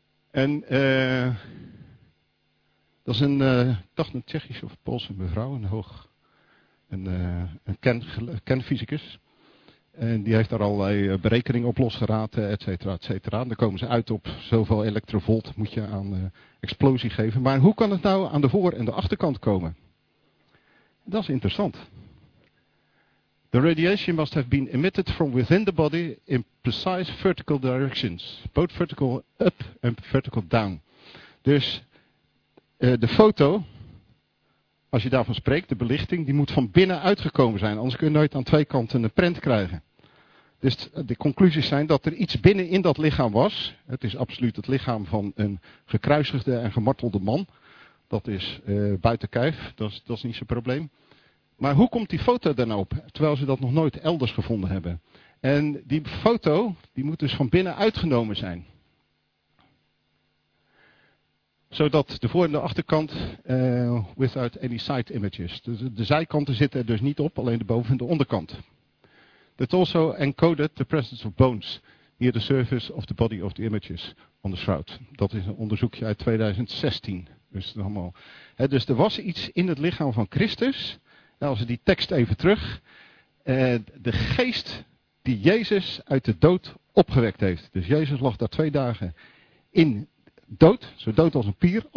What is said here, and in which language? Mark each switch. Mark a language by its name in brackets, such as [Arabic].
[Dutch] En dat is een, toch een Tsjechische of Poolse mevrouw, een kenfysicus. En die heeft daar allerlei berekeningen op losgeraten, et cetera, et cetera. En dan komen ze uit op zoveel elektrovolt moet je aan explosie geven. Maar hoe kan het nou aan de voor- en de achterkant komen? Dat is interessant. [English] The radiation must have been emitted from within the body in precise vertical directions. Both vertical up and vertical down. [Dutch] Dus de foto, als je daarvan spreekt, de belichting, die moet van binnen uitgekomen zijn. Anders kun je nooit aan twee kanten een print krijgen. Dus de conclusies zijn dat er iets binnen in dat lichaam was. Het is absoluut het lichaam van een gekruisigde en gemartelde man. Dat is buiten kijf, dat is niet zijn probleem. Maar hoe komt die foto dan op, terwijl ze dat nog nooit elders gevonden hebben? En die foto, die moet dus van binnen uitgenomen zijn. Zodat de voor- en de achterkant, [English] without any side images. [Dutch] De zijkanten zitten er dus niet op, alleen de boven- en de onderkant. [English] That also encoded the presence of bones near the surface of the body of the images on the shroud. [Dutch] Dat is een onderzoekje uit 2016. Dus, allemaal. He, dus er was iets in het lichaam van Christus. Nou, als we die tekst even terug. De geest die Jezus uit de dood opgewekt heeft. Dus Jezus lag daar 2 dagen in dood, zo dood als een pier.